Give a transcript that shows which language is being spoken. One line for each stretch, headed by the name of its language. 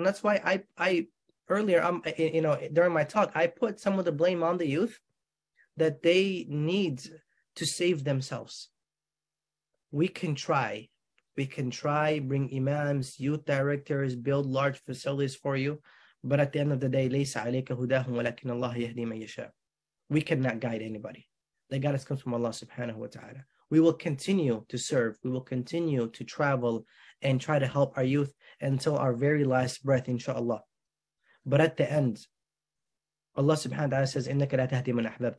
English: And that's why I earlier, during my talk, I put some of the blame on the youth that they need to save themselves. We can try, bring imams, youth directors, build large facilities for you. But at the end of the day,
Arabic: ليس عليك هداهم ولكن الله يهدي من يشاء.
English: We cannot guide anybody. The guidance comes from Allah subhanahu wa ta'ala. We will continue to serve. We will continue to travel and try to help our youth until our very last breath, inshallah. But at the end, Allah subhanahu wa ta'ala says,
Arabic: إِنَّكَ لَا تَهْدِي مَنْ أَحْبَبْتُ.